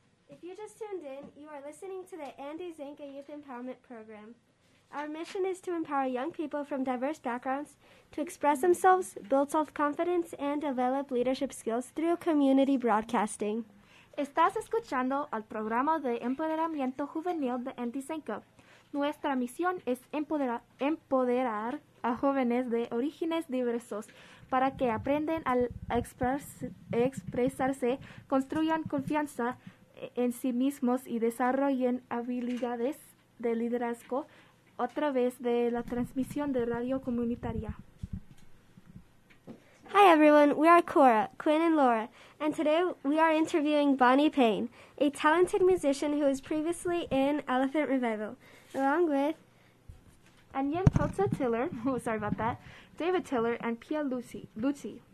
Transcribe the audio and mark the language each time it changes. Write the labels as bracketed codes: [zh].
[en] If you just tuned in, you are listening to the Andy Zanka Youth Empowerment Program. Our mission is to empower young people from diverse backgrounds to express themselves, build self-confidence, and develop leadership skills through community broadcasting. [es] Estás escuchando al programa de empoderamiento juvenil de Andy Zanka. Nuestra misión es empoderar a jóvenes de orígenes diversos para que aprendan a expresarse, construyan confianza en sí mismos y desarrollen habilidades de liderazgo a través de la transmisión de radio comunitaria. [en] Hi everyone, we are Cora, Quinn and Laura, and today we are interviewing Bonnie Payne, a talented musician who was previously in Elephant Revival, along with Anyan Totsa Tiller, sorry about that, David Tiller, and Pia Lucy.